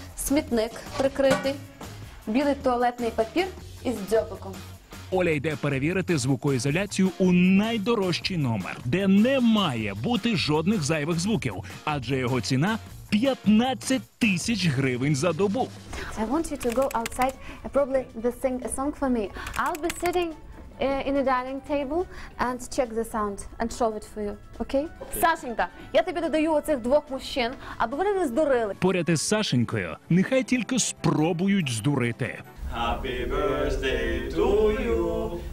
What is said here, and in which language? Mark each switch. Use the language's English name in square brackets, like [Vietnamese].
[Ukrainian] Смітник прикритий, білий туалетний папір із дзьобиком. Оля йде перевірити звукоізоляцію у найдорожчий номер, де не має бути жодних зайвих звуків, адже його ціна 15 тисяч гривень за добу. [English] I want you to go outside, probably to sing a song for me. I'll be sitting in the dining table and check the sound and show it for you, okay? Okay. [Ukrainian] Сашенька, я тобі додаю оцих двох мужчин, аби вони не здурили. Поряд із Сашенькою нехай тільки спробують здурити. [English] Happy birthday to you!